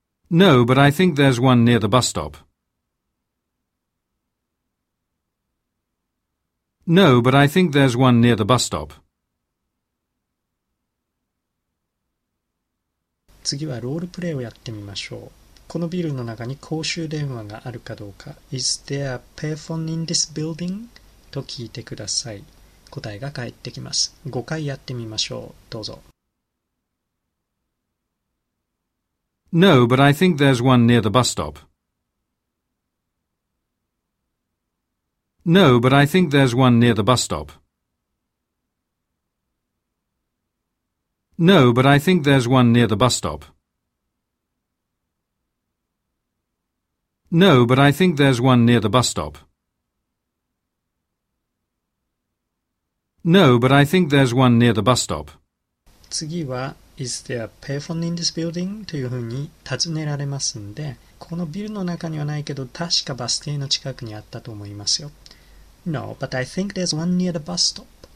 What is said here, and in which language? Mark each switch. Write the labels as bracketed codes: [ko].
[en] No, but I think there's one near the bus stop. No, but I think there's one near the bus stop. [ja] 次はロールプレイをやってみましょう。このビルの中に公衆電話があるかどうか。 [en] Is there a payphone in this building? [ja] と聞いてください。答えが返ってきます。5回やってみましょう。どうぞ。 [en] No, but I think there's one near the bus stop. No, but I think there's one near the bus stop. No, but I think there's one near the bus stop. No, but I think there's one near the bus stop. No, but I think there's one near the bus stop. [ja] 次は [en] Is there a payphone in this building? [ja] というふうに尋ねられますんで、このビルの中にはないけど、確かバス停の近くにあったと思いますよ。 [en] No, but I think there's one near the bus stop.